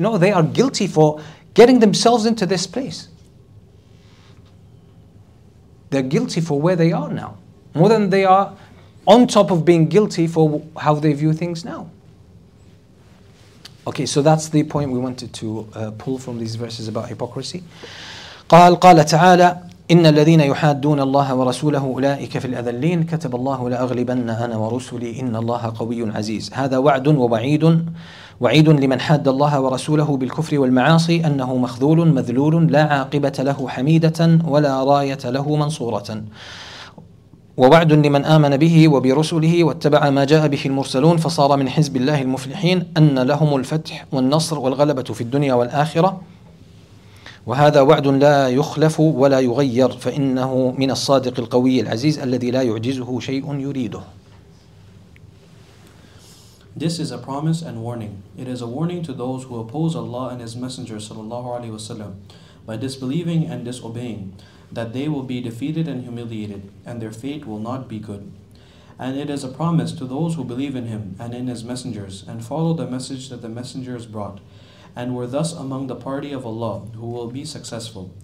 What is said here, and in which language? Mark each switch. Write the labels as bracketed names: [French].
[English] No, they are guilty for getting themselves into this place. They're guilty for where they are now, more than they are on top of being guilty for how they view things now. Okay, so that's the point we wanted to pull from these verses about hypocrisy. [Arabic] قال تعالى إن الذين يحادون الله ورسوله أولئك في الأذلين كتب الله لأغلبن أنا ورسلي إن الله قوي عزيز هذا وعد ووعيد وعيد لمن حاد الله ورسوله بالكفر والمعاصي أنه مخذول مذلول لا عاقبة له حميدة ولا راية له منصورة ووعد لمن آمن به وبرسله واتبع ما جاء به المرسلون فصار من حزب الله المفلحين أن لهم الفتح والنصر والغلبة في الدنيا والآخرة وهذا وعد لا يخلف ولا يغير فإنه من الصادق القوي العزيز الذي لا يعجزه شيء يريده. [English] This is a promise and warning. It is a warning to those who oppose Allah and His Messenger sallallahu alaihi wasallam by disbelieving and disobeying, that they will be defeated and humiliated, and their fate will not be good. And it is a promise to those who believe in Him and in His messengers and follow the message that the messengers brought, and were thus among the party of Allah, who will be successful.